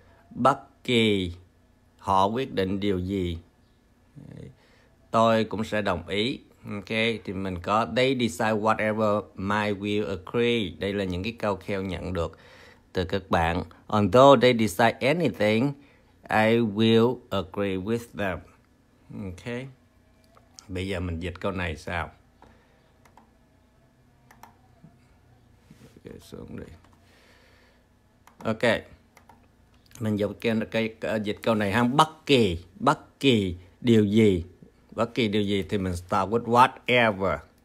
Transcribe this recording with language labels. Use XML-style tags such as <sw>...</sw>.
<vi>Bất kỳ họ quyết định điều gì, tôi cũng sẽ đồng ý.</vi> <en>Ok,</en> <vi>thì mình có</vi> <en>they decide whatever my will agree.</en> <vi>Đây là những cái câu Kheo nhận được từ các bạn.</vi> <en>Although they decide anything, I will agree with them.</en> <vi>Ok, bây giờ mình dịch câu này sao? Ok, mình dịch câu này ha. Bất kỳ điều gì. Bất kỳ điều gì thì mình</vi> <en>start with whatever.</en>